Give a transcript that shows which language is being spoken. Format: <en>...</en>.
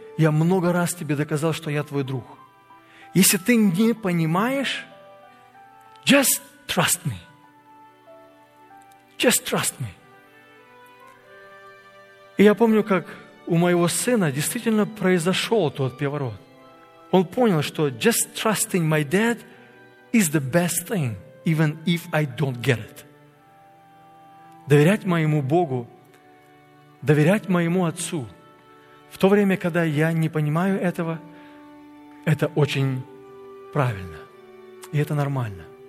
<ru>Я много раз тебе доказал, что я твой друг. Если ты не понимаешь,</ru> <en>just trust me. Just trust me.</en> <ru>И я помню, как у моего сына действительно произошел тот переворот. Он понял, что</ru> <en>just trusting my dad is the best thing, even if I don't get it.</en> <ru>Доверять моему Богу, доверять моему отцу, в то время, когда я не понимаю этого, это очень правильно. И это нормально.</ru>